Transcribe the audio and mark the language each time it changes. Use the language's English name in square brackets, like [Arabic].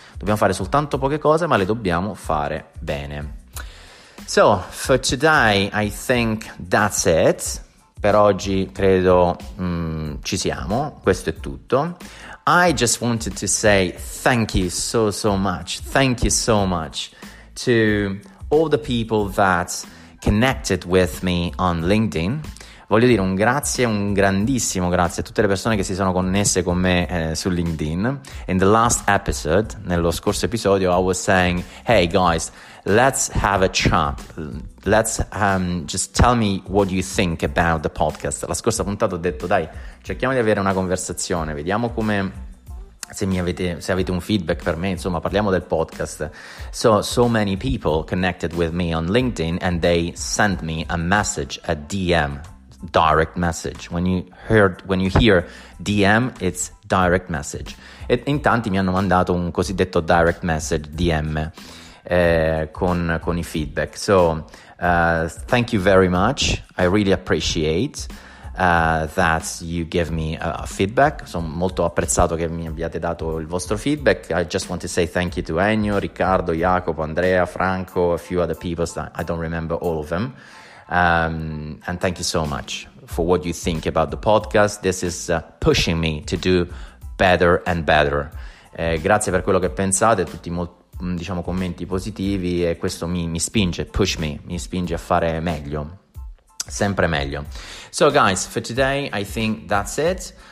[Italian] Dobbiamo fare soltanto poche cose, ma le dobbiamo fare bene. [English] So, for today, I think that's it. [Italian] Per oggi credo ci siamo, questo è tutto. [English] I just wanted to say thank you so much. Thank you so much to all the people that connected with me on LinkedIn. [Italian] Voglio dire un grazie, un grandissimo grazie a tutte le persone che si sono connesse con me su LinkedIn. [English] In the last episode, [Italian] nello scorso episodio, [English] I was saying, hey guys, let's have a chat. Let's just tell me what you think about the podcast. [Italian] La scorsa puntata ho detto, dai, cerchiamo di avere una conversazione, vediamo come, se avete un feedback per me, insomma, parliamo del podcast. [English] So many people connected with me on LinkedIn and they sent me a message, a DM. Direct message. When you hear DM, it's direct message. [Italian] E in tanti mi hanno mandato un cosiddetto [English] direct message, [Italian] DM, con i feedback. [English] So, thank you very much. I really appreciate that you give me a feedback. [Italian] Sono molto apprezzato che mi abbiate dato il vostro feedback. [English] I just want to say thank you to Ennio, Riccardo, Jacopo, Andrea, Franco, a few other people. I don't remember all of them. And thank you so much for what you think about the podcast. This is pushing me to do better and better. [Italian] Grazie per quello che pensate, tutti diciamo commenti positivi, e questo mi spinge a fare meglio, sempre meglio. [English] So guys, for today I think that's it.